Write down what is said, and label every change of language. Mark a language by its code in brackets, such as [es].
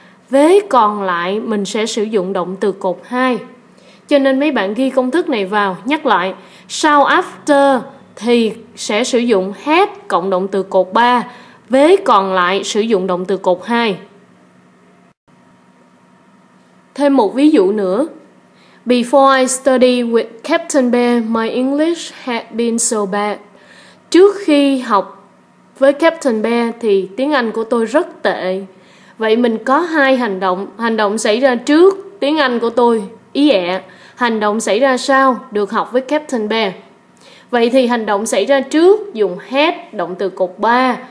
[vi] Với còn lại mình sẽ sử dụng động từ cột 2. Cho nên mấy bạn ghi công thức này vào, nhắc lại. Sau after thì sẽ sử dụng had cộng động từ cột 3. Với còn lại sử dụng động từ cột 2. Thêm một ví dụ nữa. [en] Before I study with Captain Bear, my English had been so bad. [vi] Trước khi học với Captain Bear thì tiếng Anh của tôi rất tệ. Vậy mình có hai hành động. Hành động xảy ra trước, tiếng Anh của tôi ý ẹ. Hành động xảy ra sau, được học với Captain Bear. Vậy thì hành động xảy ra trước dùng had, động từ cột 3.